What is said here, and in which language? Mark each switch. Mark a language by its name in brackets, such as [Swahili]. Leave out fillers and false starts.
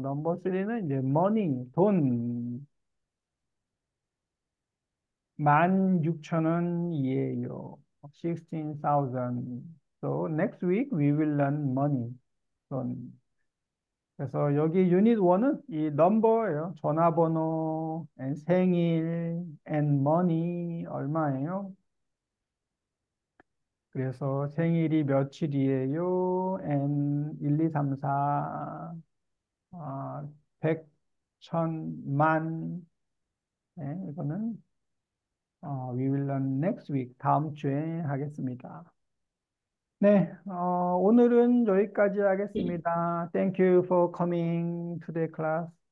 [Korean] 넘버 3는 이제 money, 돈. 16,000원이에요. [English] 16,000. So next week we will learn money, 돈. [Korean] 그래서 여기 유닛 1은 이 넘버예요. 전화번호, and 생일, [English] and money [Korean] 얼마예요? 그래서 생일이 며칠이에요? and 1, 2, 3, 4, 100, 1000, 만. 네, 이거는 [English] we will learn next week, [Korean] 다음 주에 하겠습니다. 네, 오늘은 여기까지 하겠습니다. [English] Thank you for coming to the class.